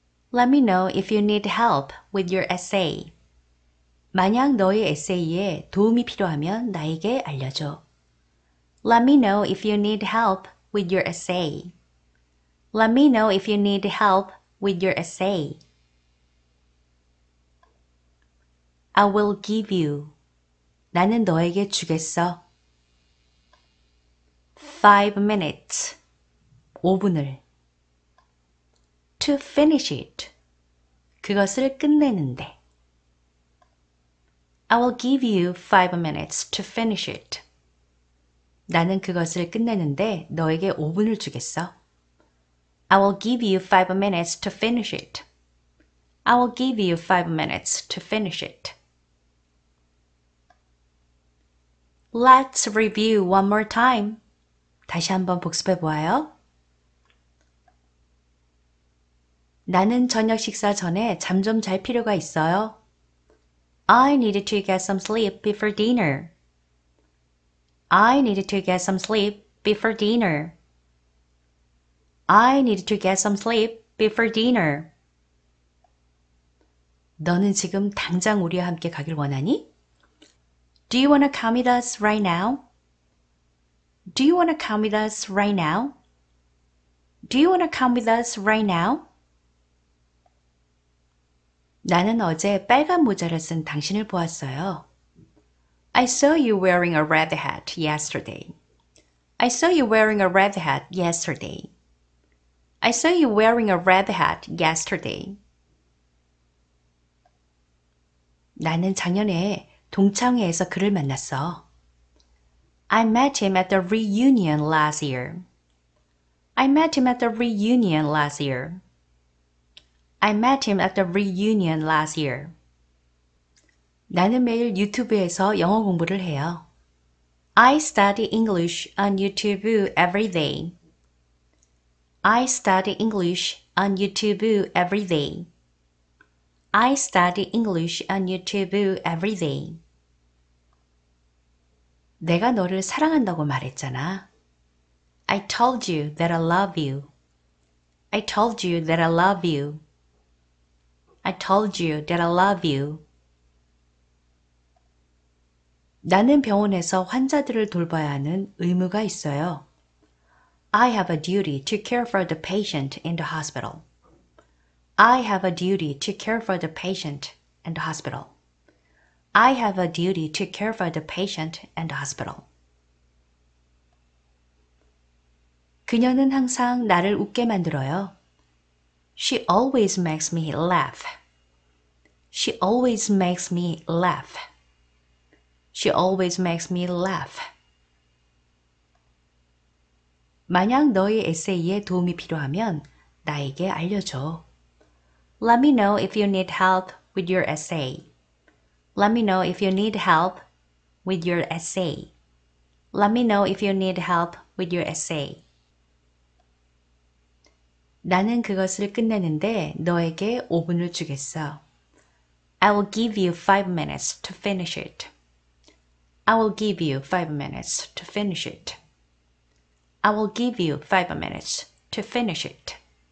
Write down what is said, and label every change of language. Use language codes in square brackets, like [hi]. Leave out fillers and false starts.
[en] Let me know if you need help with your essay. [ko] 만약 너의 에세이에 도움이 필요하면 나에게 알려줘. [en] Let me know if you need help with your essay. Let me know if you need help with your essay. I will give you. [ko] 나는 너에게 주겠어. [en] 5 minutes. [ko] 5분을. [en] To finish it. [ko] 그것을 끝내는데. [en] I will give you 5 minutes to finish it. [ko] 나는 그것을 끝내는데 너에게 5분을 주겠어. [en] I will give you 5 minutes to finish it. I will give you 5 minutes to finish it. Let's review one more time. [ko] 다시 한번 복습해 보아요. 나는 저녁 식사 전에 잠 좀 잘 필요가 있어요. [en] I need to get some sleep before dinner. I need to get some sleep before dinner. I need to get some sleep before dinner. [ko] 너는 지금 당장 우리와 함께 가길 원하니? [en] Do you want to come with us right now? Do you want to come with us right now? Do you want to come with us right now? [ko] 나는 어제 빨간 모자를 쓴 당신을 보았어요. [en] I saw you wearing a red hat yesterday. I saw you wearing a red hat yesterday. I saw you wearing a red hat yesterday. [ko] 나는 작년에 동창회에서 그를 만났어. [en] I met him at the reunion last year. I met him at the reunion last year. I met him at the reunion last year. [ko] 나는 매일 유튜브에서 영어 공부를 해요. [en] I study English on YouTube every day. I study English on YouTube every day. I study English on YouTube every day. [ko] 내가 너를 사랑한다고 말했잖아. [en] I told you that I love you. I told you that I love you. I told you that I love you. [ko] 나는 병원에서 환자들을 돌봐야 하는 의무가 있어요. [en] I have a duty to care for the patient in the hospital. I have a duty to care for the patient in the hospital. I have a duty to care for the patient in the hospital. [ko] 그녀는 항상 나를 웃게 만들어요. [en] She always makes me laugh. She always makes me laugh. She always makes me laugh. [ko] 만약 너의 에세이에 도움이 필요하면 나에게 알려줘. [en] Let me know if you need help with your essay. Let me know if you need help with your essay. Let me know if you need help with your essay. [ko] 나는 그것을 끝내는데 너에게 5분을 주겠어. [en] I will give you 5 minutes to finish it. I will give you 5 minutes to finish it. I will give you 5 minutes to finish it.